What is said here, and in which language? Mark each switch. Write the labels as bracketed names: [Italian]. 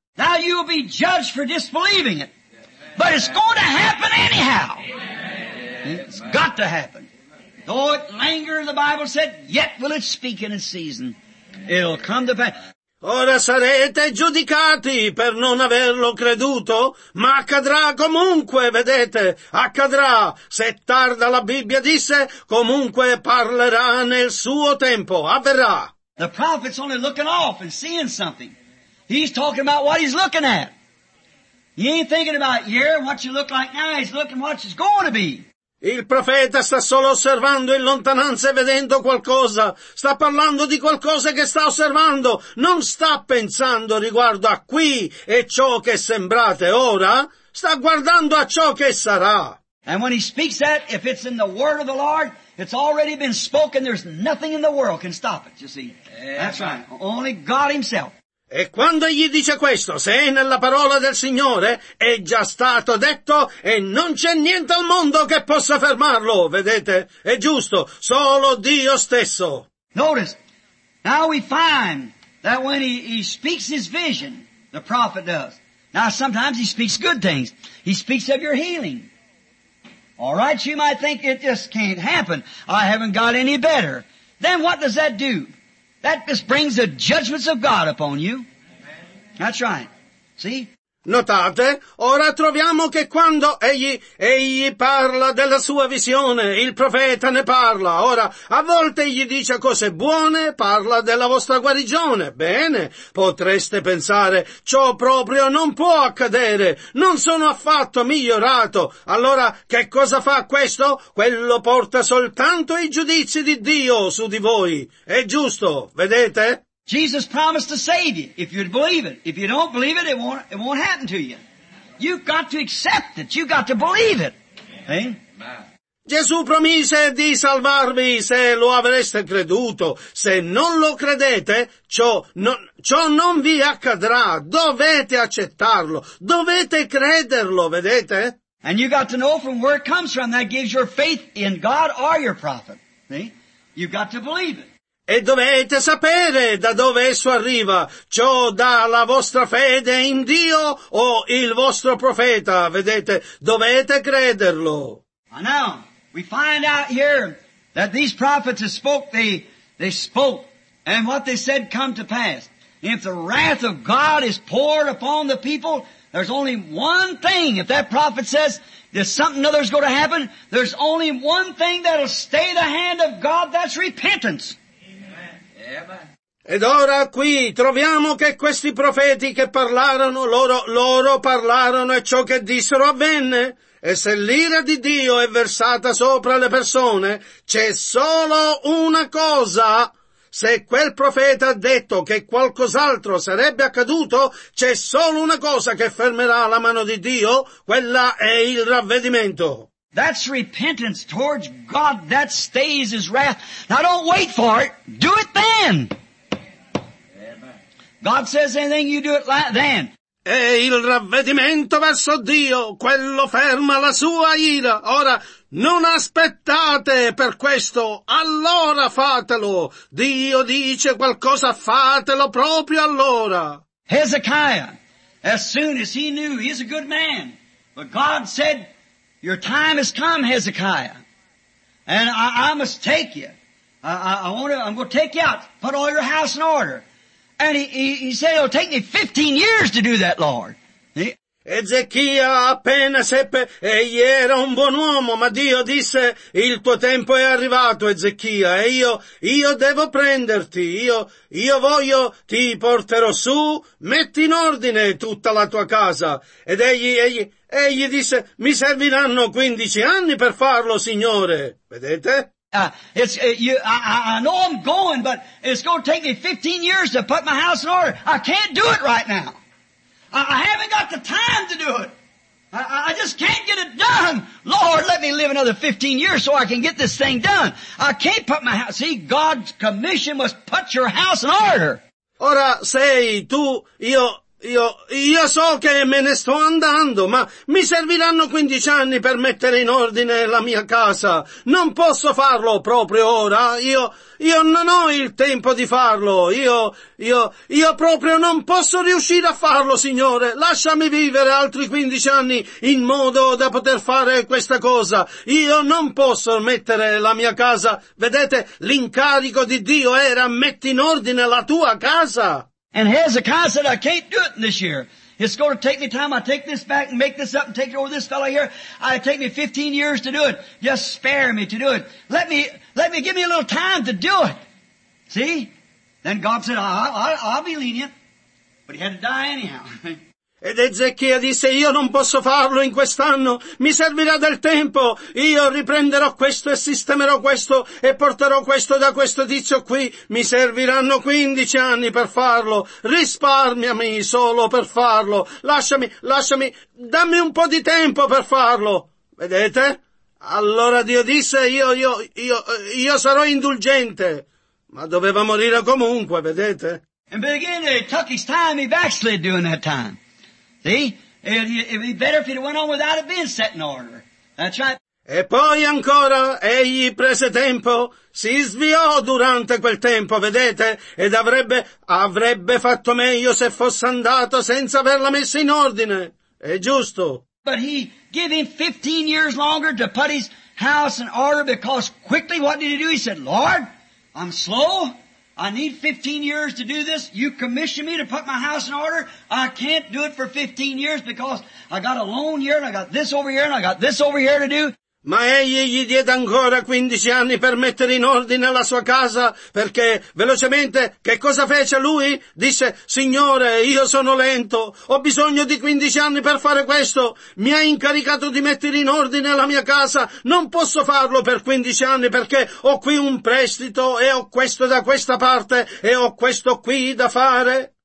[English] Now you'll be judged for disbelieving it, but it's going to happen anyhow. It's got to happen. Though it linger, the Bible said, yet will it speak in its season. It'll come to pass. [Italian] Ora sarete giudicati per non averlo creduto, ma accadrà comunque, vedete, accadrà. Se tarda la Bibbia disse, comunque parlerà nel suo tempo, avverrà. [English] The prophet's only looking off and seeing something. He's talking about what he's looking at. He ain't thinking about here, what you look like now, he's looking what it's going to be. [Italian] Il profeta sta solo osservando in lontananza e vedendo qualcosa. Sta parlando di qualcosa che sta osservando. Non sta pensando riguardo a qui e ciò che sembrate ora. Sta guardando a ciò che sarà. [English] And when he speaks that, if it's in the word of the Lord, it's already been spoken. There's nothing in the world can stop it, you see. That's right. Only God himself. [Italian] E quando egli dice questo, se è nella parola del Signore, è già stato detto e non c'è niente al mondo che possa fermarlo, vedete? È giusto, solo Dio stesso. [English] Notice, now we find that when he speaks his vision, the prophet does. Now sometimes he speaks good things. He speaks of your healing. All right, you might think it just can't happen. I haven't got any better. Then what does that do? That just brings the judgments of God upon you. That's right. See? [Italian] Notate, ora troviamo che quando egli parla della sua visione, il profeta ne parla. Ora, a volte egli dice cose buone, parla della vostra guarigione. Bene, potreste pensare, ciò proprio non può accadere, non sono affatto migliorato. Allora, che cosa fa questo? Quello porta soltanto i giudizi di Dio su di voi. È giusto, vedete? [English] Jesus promised to save you if you'd believe it. If you don't believe it, it won't happen to you. You've got to accept it. You've got to believe it. Amen. [Italian] Gesù promise di salvarvi se lo avreste creduto. Se non lo credete, ciò non vi accadrà. Dovete accettarlo. Dovete crederlo, vedete? [English] And you got to know from where it comes from. That gives your faith in God or your prophet. See? You've got to believe it. [Italian] E dovete sapere da dove esso arriva, ciò dà la vostra fede in Dio o il vostro profeta, vedete, dovete crederlo. [English] And now, we find out here that these prophets spoke, they spoke, and what they said come to pass. If the wrath of God is poured upon the people, there's only one thing. If that prophet says there's something other's going to happen, there's only one thing that'll stay the hand of God, that's repentance. [Italian] Ed ora qui troviamo che questi profeti che parlarono, loro parlarono e ciò che dissero avvenne. E se l'ira di Dio è versata sopra le persone, c'è solo una cosa. Se quel profeta ha detto che qualcos'altro sarebbe accaduto, c'è solo una cosa che fermerà la mano di Dio, quella è il ravvedimento. [English] That's repentance towards God. That stays His wrath. Now don't wait for it. Do it then. God says anything, you do it then. [Italian] E il ravvedimento verso Dio, quello ferma la sua ira. Ora, non aspettate per questo. Allora fatelo. Dio dice qualcosa, fatelo proprio allora. [English] Hezekiah, as soon as he knew, he's a good man. But God said, your time has come, Hezekiah, and I must take you. I'm going to take you out, put all your house in order. And he said, it'll take me 15 years to do that, Lord. [Italian] Ezechia appena seppe, egli era un buon uomo, ma Dio disse, il tuo tempo è arrivato, Ezechia, e io devo prenderti, io voglio, ti porterò su, metti in ordine tutta la tua casa. Ed egli disse, mi serviranno 15 anni per farlo, Signore. Vedete? [English] I know I'm going, but it's going to take me 15 years to put my house in order. I can't do it right now. I haven't got the time to do it. I just can't get it done. Lord, let me live another 15 years so I can get this thing done. I can't put my house. See, God's commission was put your house in order. [Italian] Ora sei tu, io so che me ne sto andando, ma mi serviranno 15 anni per mettere in ordine la mia casa. Non posso farlo proprio ora. Io non ho il tempo di farlo. Io proprio non posso riuscire a farlo, Signore. Lasciami vivere altri 15 anni in modo da poter fare questa cosa. Io non posso mettere la mia casa. Vedete, l'incarico di Dio era metti in ordine la tua casa. [English] And Hezekiah said, I can't do it this year. It's going to take me time. I take this back and make this up and take it over this fellow here. It take me 15 years to do it. Just spare me to do it. Let me give me a little time to do it. See? Then God said, I'll be lenient. But he had to die anyhow. [Italian] Ed Ezechia disse, io non posso farlo in quest'anno, mi servirà del tempo, io riprenderò questo e sistemerò questo e porterò questo da questo tizio qui, mi serviranno 15 anni per farlo, risparmiami solo per farlo, lasciami, dammi un po' di tempo per farlo, vedete? Allora Dio disse, io sarò indulgente, ma doveva morire comunque, vedete? [English] And begin to took his time, he backslid during that time. See? It'd be better if he'd went on without it being set in order. That's right. [Italian] E poi ancora, egli prese tempo, si sviò durante quel tempo, vedete? Ed avrebbe fatto meglio se fosse andato senza averla messa in ordine. È giusto. [English] But he gave him 15 years longer to put his house in order because quickly what did he do? He said, Lord, I'm slow. I need 15 years to do this. You commission me to put my house in order. I can't do it for 15 years because I got a loan here and I got this over here and I got this over here to do. [Italian] Ma egli gli diede ancora 15 anni per mettere in ordine la sua casa, perché velocemente che cosa fece lui? Disse, Signore, io sono lento, ho bisogno di 15 anni per fare questo, mi hai incaricato di mettere in ordine la mia casa, non posso farlo per 15 anni perché ho qui un prestito e ho questo da questa parte e ho questo qui da fare.